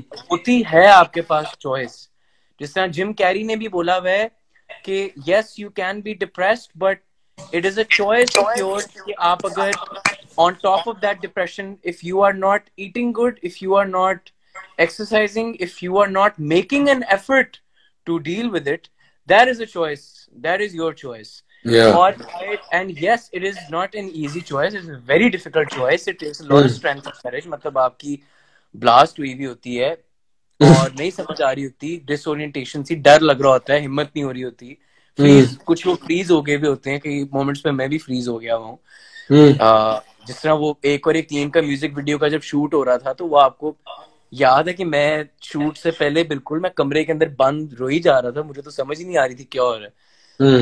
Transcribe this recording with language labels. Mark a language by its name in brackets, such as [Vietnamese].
[Hindi] होती है आपके पास चॉइस. जिस तरह जिम कैरी ने भी बोला हुआ है कि [English] yes you can be depressed but it is a choice of yours [Hindi] कि आप अगर [English] On top of that depression if you are not eating good if you are not exercising if you are not making an effort to deal with it that is a choice that is your choice. And yes, it is not an easy choice. It's a very difficult choice. It takes a lot of strength and courage. [Hindi] मतलब आपकी blast हुई भी होती है और नहीं समझ आ रही होती, disorientation सी, डर लग रहा होता है, हिम्मत नहीं हो रही होती, फ्रीज, कुछ लोग फ्रीज हो गए भी होते हैं कई मोमेंट्स पे, मैं भी फ्रीज हो गया हूँ. जिस तरह वो एक और एक तीन का म्यूजिक वीडियो का जब शूट हो रहा था, तो वो आपको याद है कि मैं शूट से पहले बिल्कुल मैं कमरे के अंदर बंद रो ही जा रहा था, मुझे तो समझ ही नहीं आ रही थी क्या हो रहा है.